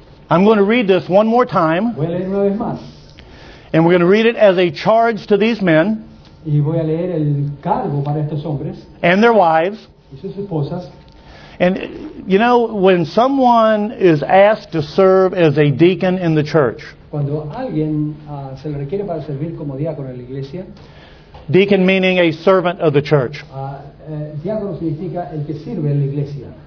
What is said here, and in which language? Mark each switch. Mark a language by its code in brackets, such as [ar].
[en] I'm going to read this one more time. [es] Voy a leer una vez más. [en] And we're going to read it as a charge to these men. [es] Y voy a leer el cargo para estos hombres. [en] And their wives. [es] Y sus esposas. [en] And you know, when someone is asked to serve as a deacon in the church. [es] Cuando alguien se le requiere para servir como diácono en la iglesia. [en] Deacon meaning a servant of the church. [es] Diácono significa el que sirve en la iglesia.